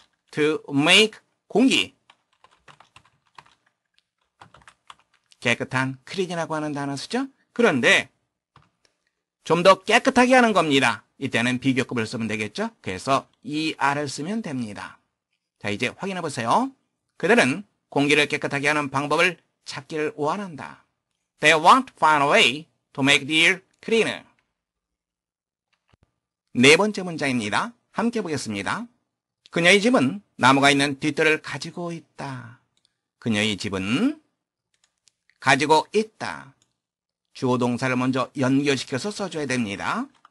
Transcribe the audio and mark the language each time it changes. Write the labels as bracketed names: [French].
[Korean] to make 공기 깨끗한 clean이라고 하는 단어 쓰죠. 그런데 좀 더 깨끗하게 하는 겁니다. 이때는 비교급을 쓰면 되겠죠? 그래서 ER을 쓰면 됩니다. 자, 이제 확인해 보세요. 그들은 공기를 깨끗하게 하는 방법을 찾기를 원한다. [English] They want to find a way to make the air cleaner. [Korean] 네 번째 문장입니다. 함께 보겠습니다. 그녀의 집은 나무가 있는 뒤뜰을 가지고 있다. 그녀의 집은 가지고 있다. 주어 동사를 먼저 연결시켜서 써줘야 됩니다.